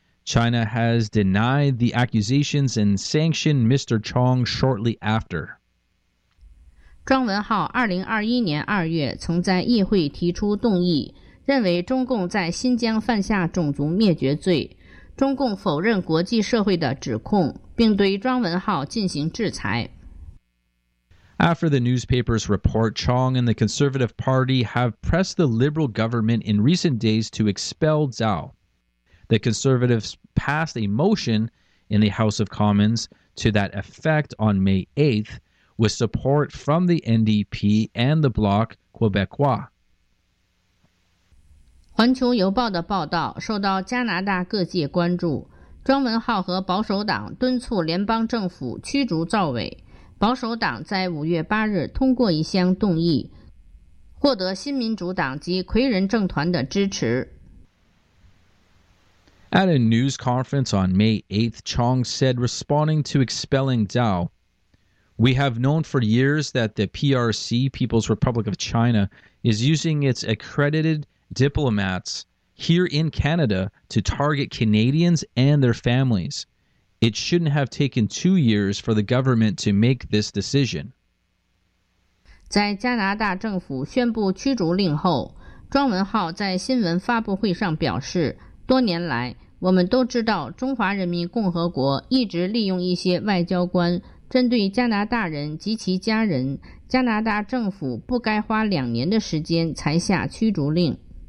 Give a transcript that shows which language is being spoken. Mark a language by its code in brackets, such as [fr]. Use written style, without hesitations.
[en] China has denied the accusations and sanctioned Mr. Chong shortly after. [zh] 庄文浩2021年2月曾在议会提出动议，认为中共在新疆犯下种族灭绝罪。中共否认国际社会的指控，并对庄文浩进行制裁。 [en] After the newspaper's report, Chong and the Conservative Party have pressed the Liberal government in recent days to expel Zhao. The Conservatives passed a motion in the House of Commons to that effect on May 8th, with support from the NDP and the Bloc Quebecois. [zh] 环球邮报的报道受到加拿大各界关注，庄文浩和保守党敦促联邦政府驱逐赵伟。保守党在5月8日通过一项动议，获得新民主党及魁人政团的支持。 [en] At a news conference on May 8th, Chong said, responding to expelling Zhao, "We have known for years that the PRC, People's Republic of China, is using its accredited diplomats here in Canada to target Canadians and their families. It shouldn't have taken 2 years for the government to make this decision." [zh] 在加拿大政府宣布驱逐令后，庄文浩在新闻发布会上表示，多年来，我们都知道中华人民共和国一直利用一些外交官针对加拿大人及其家人，加拿大政府不该花2年的时间才下驱逐令。